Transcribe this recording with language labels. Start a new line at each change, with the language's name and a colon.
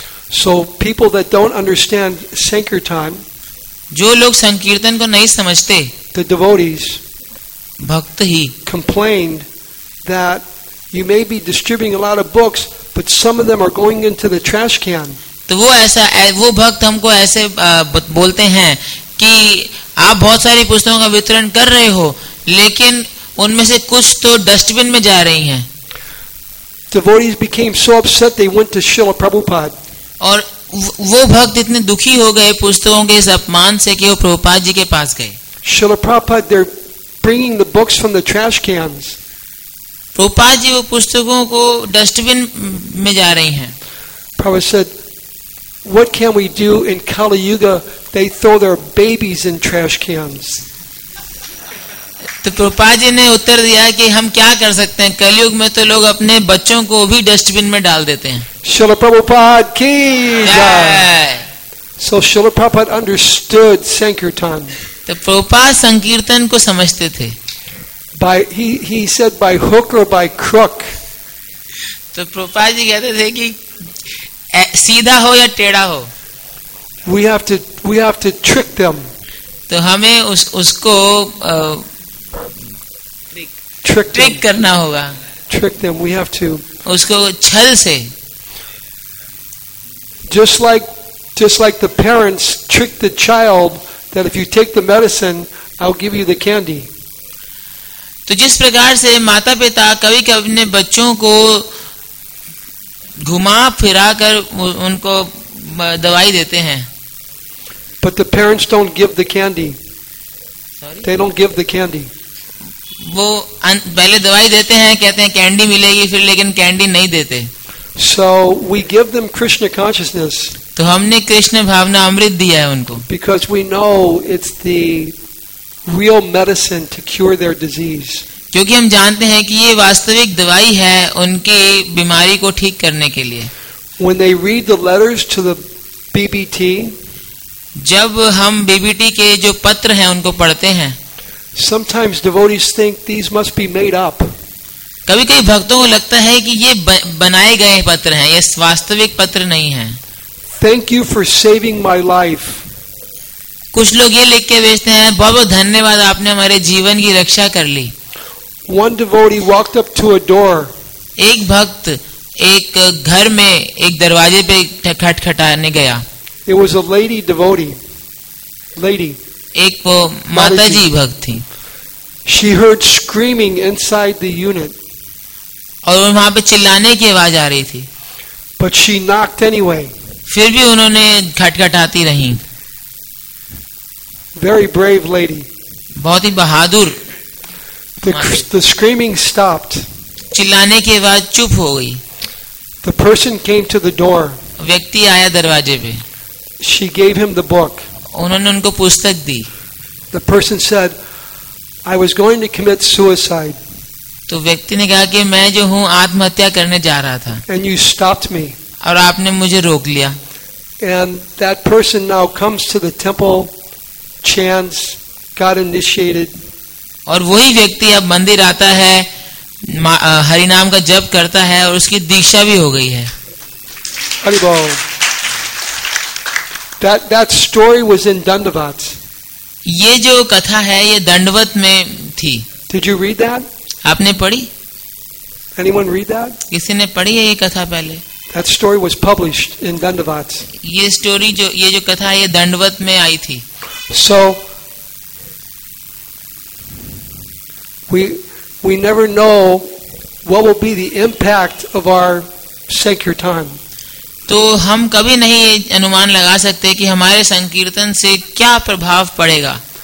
English: So people that don't understand sankirtan,
Hindi: जो लोग संकीर्तन को नहीं समझते,
English: the devotees,
Hindi: भक्त ही,
English: complained that you may be distributing a lot of books, but some of them are going into the trash can.
Hindi: तो वो भक्त हमको ऐसे बोलते हैं कि आप बहुत सारी पुस्तकों का वितरण कर रहे हो लेकिन उनमें से कुछ तो डस्टबिन में जा रही हैं.
English: Devotees became so upset they went to Srila Prabhupada.
Hindi: और वो भक्त इतने दुखी हो गए पुस्तकों के इस अपमान से कि वो प्रभुपाद जी के पास गए.
English: Srila Prabhupada, they're bringing the books from the trash cans.
Hindi: Prabhupada ji वो पुस्तकों को डस्टबिन में जा रही हैं.
English: Prabhupada said, "What can we do in Kali Yuga? They throw their babies in trash cans."
Hindi: तो कृपा जी ने उत्तर दिया कि हम क्या कर सकते हैं, कलयुग में तो लोग अपने बच्चों को भी डस्टबिन में डाल देते हैं। श्रील प्रभुपाद की जय।
English: So Srila Prabhupada understood sankirtan.
Hindi: तो प्रभुपाद संकीर्तन को समझते थे।
English: He said by hook or by crook.
Hindi: तो प्रभुपाद जी कहते थे कि सीधा हो या टेढ़ा हो।
English: We have to trick them.
Hindi: तो हमें उसको
English: trick
Hindi: करना होगा।
English: Trick them. We have to.
Hindi: उसको छल से।
English: Just like the parents trick the child that if you take the medicine, I'll give you the candy.
Hindi: तो जिस प्रकार से माता पिता कभी कभी अपने बच्चों को घुमा फिरा कर उनको दवाई देते हैं।
English: But the parents don't give the candy. They don't give the candy.
Hindi: वो पहले दवाई देते हैं, कहते हैं कैंडी मिलेगी फिर, लेकिन कैंडी नहीं देते।
English: So we give them Krishna consciousness.
Hindi: तो हमने कृष्ण भावना अमृत दिया है उनको।
English: Because we know it's the real medicine to cure their disease.
Hindi: क्योंकि हम जानते हैं कि ये वास्तविक दवाई है उनकी बीमारी को ठीक करने के लिए।
English: When they read the letters to the BBT,
Hindi: जब हम BBT के जो पत्र हैं उनको पढ़ते हैं,
English: sometimes devotees think these must be made up.
Hindi: कभी कभी भक्तों को लगता है कि ये बनाए गए पत्र हैं, ये वास्तविक पत्र नहीं है।
English: Thank you for saving my life.
Hindi: कुछ लोग ये लिख के भेजते हैं, बहुत बहुत धन्यवाद, आपने हमारे जीवन की रक्षा कर ली।
English: One devotee walked up to a door.
Hindi: एक भक्त एक घर में एक दरवाजे पे खटखटाने गया।
English: It was a lady devotee. Lady.
Hindi: एक वो माताजी भक्त थी।
English: She heard screaming inside the unit.
Hindi: और वहां पे चिल्लाने की आवाज आ रही थी।
English: But she knocked anyway.
Hindi: फिर भी उन्होंने खटखटाती रही।
English: Very brave lady.
Hindi: बहुत ही बहादुर।
English: The screaming stopped.
Hindi: चिल्लाने की आवाज चुप हो गई।
English: The person came to the door.
Hindi: व्यक्ति आया दरवाजे पे।
English: She gave him the book.
Hindi: उन्होंने उनको पुस्तक दी।
English: The person said, I was going to commit suicide.
Hindi: तो व्यक्ति ने कहा कि मैं जो हूँ आत्महत्या करने जा रहा था।
English: And you stopped me.
Hindi: और आपने मुझे रोक लिया।
English: And that person now comes to the temple, chants, got initiated.
Hindi: और वही व्यक्ति अब मंदिर आता है, हरि नाम का जप करता है और उसकी दीक्षा भी हो गई है। हरि बोल।
English: That story was in Dandavat.
Hindi: ये जो कथा है ये दंडवत में थी।
English: Did you read that?
Hindi: आपने पढ़ी?
English: Anyone read that?
Hindi: किसी ने पढ़ी है ये कथा पहले?
English: That story was published in Dandavat.
Hindi: ये story जो ये जो कथा है ये दंडवत में आई थी।
English: So we never know what will be the impact of our sankirtan.
Hindi: तो हम कभी नहीं अनुमान लगा सकते कि हमारे संकीर्तन से क्या प्रभाव पड़ेगा।